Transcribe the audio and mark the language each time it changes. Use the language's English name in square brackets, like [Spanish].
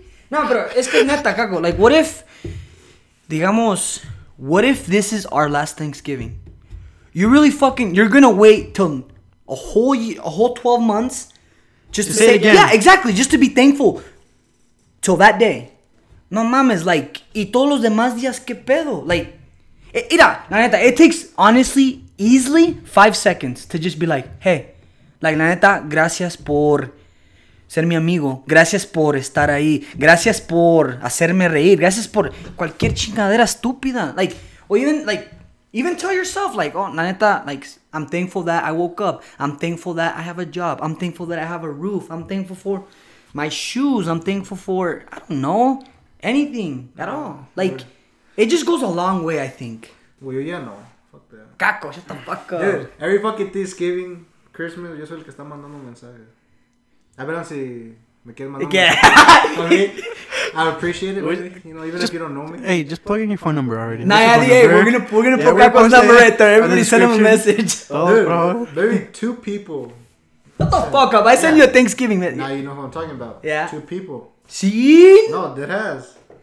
[Spanish] No, pero es que neta, cago. [English] Like, what if, [Spanish] digamos, [English] what if this is our last Thanksgiving? You really fucking, you're gonna wait till a whole year, a whole 12 months just to say it again. Yeah, exactly. Just to be thankful till that day. [Spanish] No mames, like, y todos los demás días, qué pedo? [English] Like, [Spanish] mira, la neta, [English] it takes, honestly, easily 5 seconds to just be like, hey, like, [Spanish] la neta, gracias por ser mi amigo. Gracias por estar ahí. Gracias por hacerme reír. Gracias por cualquier chingadera estúpida. [English] Like, or even, like, even tell yourself, like, oh, [Spanish] la neta, [English] like, I'm thankful that I woke up. I'm thankful that I have a job. I'm thankful that I have a roof. I'm thankful for my shoes. I'm thankful for, I don't know, anything at all. Like, it just goes a long way, I think. Well, yeah, no. Fuck that. Caco, shut the fuck up. Dude, every fucking Thanksgiving, Christmas, [Spanish] yo soy el que está mandando mensajes. A ver si me quieres mandar mensajes. [English] I appreciate it, you know, even just, if you don't know me. Hey, just plug in your phone number already. Nah, yeah, hey, we're gonna put Caco's number right there. Everybody send him a message. Oh, dude, bro. Maybe two people. What the fuck up? I sent you a Thanksgiving message. Now you know who I'm talking about. Yeah. Two people. See? No, it has.